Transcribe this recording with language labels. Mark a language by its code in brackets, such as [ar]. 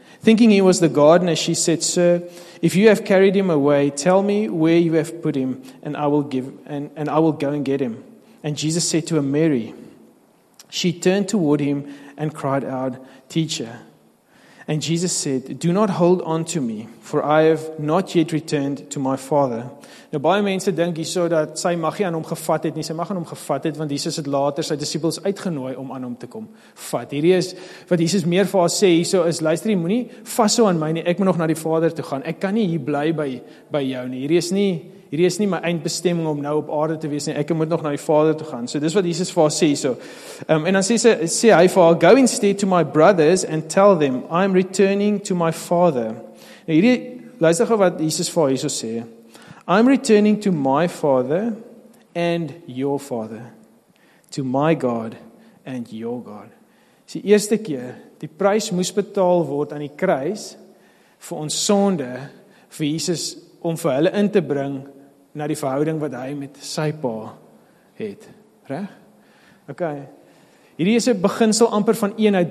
[en] Thinking he was the gardener, she said, "Sir, if you have carried him away, tell me where you have put him, and I will go and get him." And Jesus said to her, "Mary." She turned toward him and cried out, "Teacher." And Jesus said, "Do not hold on to me, for I have not yet returned to my Father." [af] Nou baie mense dink hierso dat sy mag nie aan hom gevat het nie. Sy mag aan hom gevat het want Jesus het later sy disippels uitgenooi om aan hom te kom vat. Hierdie is wat Jesus meer vir haar sê hierso is luister jy moenie vashou aan my nie. Ek moet nog na die Vader toe gaan. Ek kan nie hier bly by jou nie. Hierdie is nie my eindbestemming om nou op aarde te wees nie. Ek moet nog na die Vader toe gaan. So dis wat Jesus vir haar sê hierso. En dan sê hy vir haar, [en] "Go instead to my brothers and tell them I am returning to my Father." [af] Nou hierdie luister gou wat Jesus vir haar hierso sê. [en] "I'm returning to my Father and your Father, to my God and your God." [af] Dis die eerste keer, die prys moes betaal word aan die kruis vir ons sonde, vir Jesus om vir hulle in te bring na die verhouding wat hy met sy pa het. Reg? Ok. Hierdie is 'n beginsel amper van eenheid.